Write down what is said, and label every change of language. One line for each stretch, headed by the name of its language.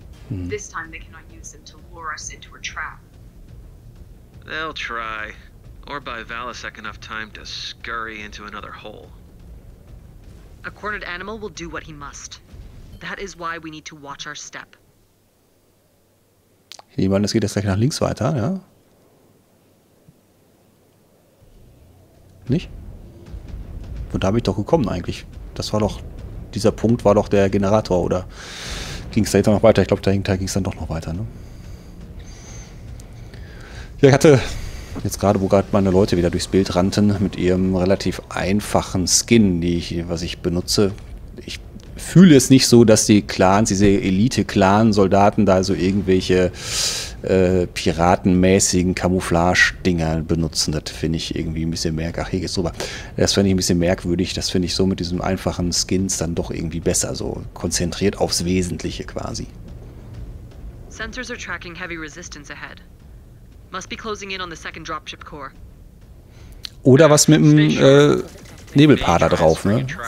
English: This time they cannot use them to lure us into a trap. They'll try. Or buy Valisek enough time to scurry into another hole. A cornered animal will do what he must. That is why we need to watch our step.
German: Ich meine, es geht jetzt gleich nach links weiter, ja? Nicht? Von da bin ich doch gekommen eigentlich. Das war doch, dieser Punkt war doch der Generator, oder ging es dahinter noch weiter? Ich glaube, dahinter ging es dann doch noch weiter, ne? Ja, ich hatte jetzt gerade, wo gerade meine Leute wieder durchs Bild rannten, mit ihrem relativ einfachen Skin, was ich benutze. Ich fühle es nicht so, dass die Clans, diese Elite-Clan-Soldaten da so irgendwelche piratenmäßigen Camouflage-Dinger benutzen. Das finde ich irgendwie ein bisschen merkwürdig. Ach, hier geht's drüber. Das finde ich ein bisschen merkwürdig. Das finde ich so mit diesen einfachen Skins dann doch irgendwie besser. So konzentriert aufs Wesentliche quasi.
English: Sensors are tracking heavy resistance ahead. Must be closing in on the second dropship core.
German: Oder was mit dem Nebelpaar da drauf, ne?